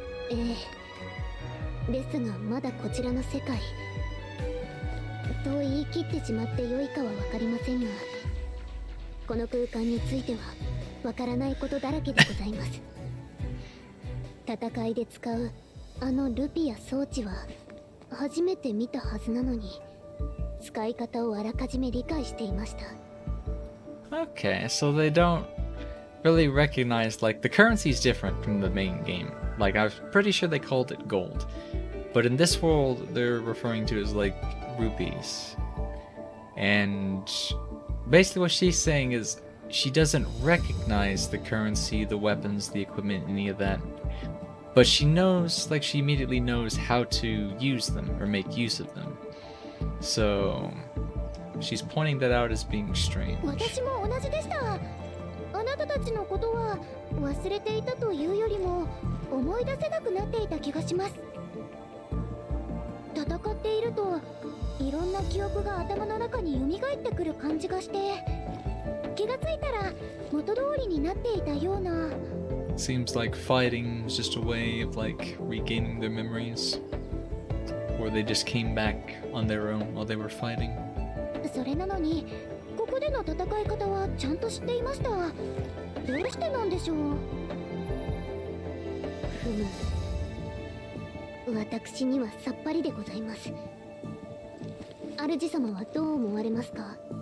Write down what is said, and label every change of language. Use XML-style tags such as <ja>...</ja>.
<ja>ええ、ですがまだこちらの世界と言い切ってしまって良いかは分かりませんが、この空間については分からないことだらけでございます。戦いで使うあのルピア装置は初めて見たはずなのに、使い方をあらかじめ理解していました。</ja> <en>Okay, so they don't really recognize, like, the currency is different from the main game. Like, I'm pretty sure they called it gold, but in this world they're referring to it as likerupees. And basically what she's saying is she doesn't recognize the currency, the weapons, the equipment, any of that, but she knows, like, she immediately knows how to use them or make use of them. So she's pointing that out as being strange.</en> <ja>私も同じでした。あなたたちのことは忘れていたというよりも思い出せなくなっていた気がします。戦っているといろんな記憶が頭の中に蘇ってくる感じがして、気がついたら元通りになっていたような。</ja> <en>Seems like fighting is just a way of, like, regaining their memories, or they just came back on their own while they were fighting.</en> <ja>それなのにここでの戦い方はちゃんと知っていました。どうしてなんでしょう。ふむ、私にはさっぱりでございます。主様はどう思われますか。</ja>